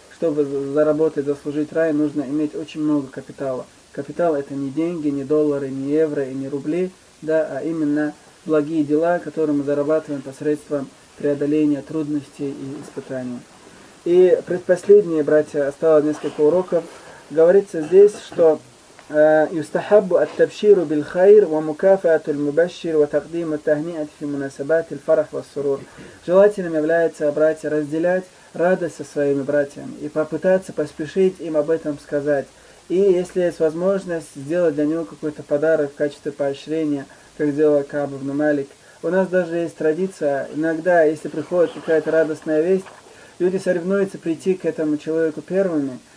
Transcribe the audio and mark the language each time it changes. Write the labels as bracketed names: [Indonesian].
[Russian] Чтобы заработать, заслужить рай, нужно иметь очень много капитала. Капитал — это не деньги, не доллары, не евро и не рубли, да, а именно благие дела, которые мы зарабатываем посредством преодоления трудностей и испытаний. И предпоследние, братья, осталось несколько уроков. Говорится здесь, что [Arabic] يستحب التبشير بالخير ومكافأة المبشر وتقديم التهنئة في مناسبات الفرح والسرور. [Russian] Желательным является, братья, разделять радость со своими братьями и попытаться поспешить им об этом сказать. И если есть возможность, сделать для него какой-то подарок в качестве поощрения, как сделал Кааб ибн Малик. У нас даже есть традиция, иногда, если приходит какая-то радостная весть, люди соревнуются прийти к этому человеку первыми.